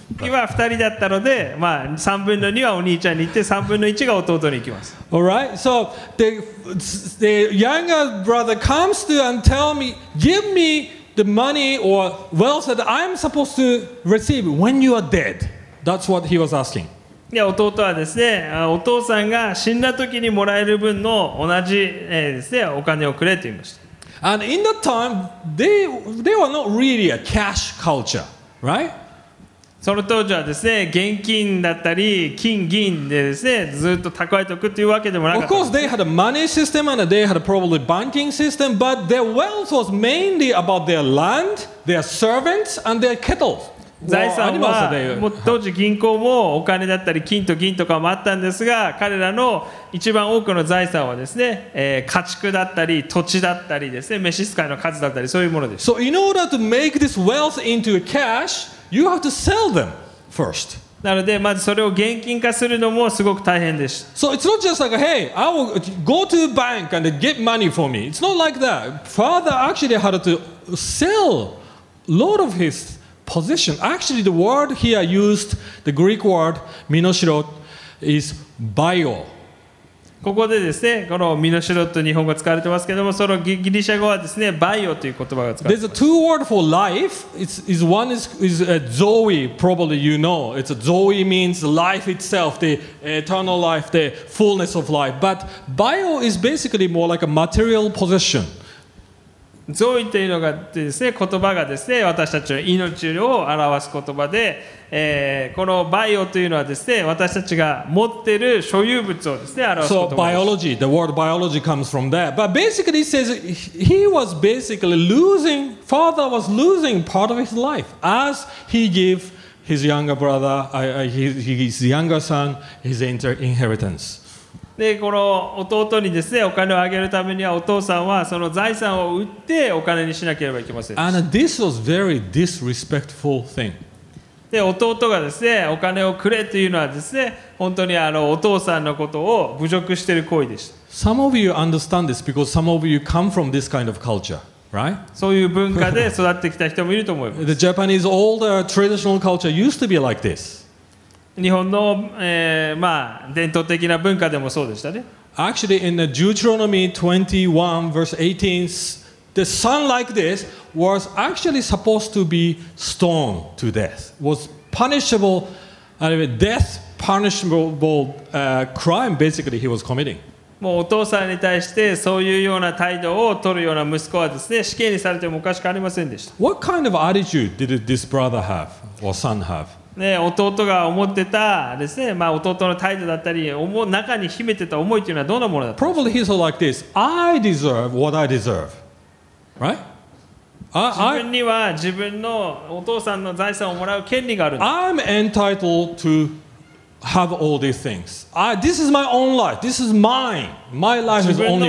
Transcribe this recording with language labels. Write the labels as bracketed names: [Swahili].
[Japanese] 今2人だったので、まあ、3分の2はお兄ちゃんに行って3分の1が弟に行きます。 [English] All right. So the younger brother comes to and tell me, give me the money or wealth that I'm supposed to receive when you are dead. That's what he was asking. [Japanese] いや、弟はですね、お父さんが死んだ時にもらえる分の同じ、ですね、お金をくれと言いました。 [English] And in that time, they were not really a cash culture, right? [Japanese] その当時はですね、現金だったり金銀でですね、ずっと蓄えておくというわけでもなかった。 [English] Of course, they had a money system and they had probably banking system, but their wealth was mainly about their land, their servants, and their cattle. [Japanese] 財産は、もう当時銀行もお金だったり金と銀とかもあったんですが、彼らの一番多くの財産はですね、家畜だったり土地だったりですね、召使いの数だったりそういうものです。 [English] So in order to make this wealth into cash,You have to sell them first. [Japanese] なのでまずそれを現金化するのもすごく大変でした。 [English] So it's not just like, hey, I will go to the bank and get money for me. It's not like that. Father actually had to sell a lot of his possession. Actually, the word here used, the Greek word, minoshiro, is bio. [Japanese] ここでですね、このミノシロと日本語使われてますけども、そのギリシャ語はですね、バイオという言葉が使われてます。 [English] There's a two word for life. It's one is a Zoe, probably you know. It's a Zoe means life itself, the eternal life, the fullness of life. But bio is basically more like a material possession. [Japanese] ゾイというのがですね、言葉がですね、私たちの命を表す言葉で、このバイオというのはですね、私たちが持っている所有物をですね、表す言葉です。 [English] So biology, the word biology comes from there. But basically it says he was basically losing, father was losing part of his life as he gave his younger brother, his younger son his inheritance. [Japanese] でこの弟にですね、お金をあげるためにはお父さんはその財産を売ってお金にしなければいけません。 [English] And this was very disrespectful thing. [Japanese] で弟がですね、お金をくれというのはですね、本当にお父さんのことを侮辱している行為でした。 [English] Some of you understand this because some of you come from this kind of culture. right? [Japanese] そういう文化で育ってきた人もいると思います。 [English] The Japanese older traditional culture used to be like this. [Japanese] 日本の、まあ、伝統的な文化でもそうでしたね。 [English] Actually, in the Deuteronomy 21 verse 18, the sun like this was actually supposed to be stoned to death. Was punishable, death punishable crime basically he was committing. [Japanese] もうお父さんに対してそういうような態度を取るような息子はですね、死刑にされてもおかしくありませんでした。 [English] What kind of attitude did this brother have or son have? [Japanese] ね、弟が思ってたですね、まあ弟の態度だったり、中に秘めてた思いというのはどんなものだったか。 [English] Probably he's like this. I deserve what I deserve, right? [Japanese] 自分には自分のお父さんの財産をもらう権利があるんだ。 [English] I'm entitled to. Have all these things. This is my own life. This is mine. My life is only mine.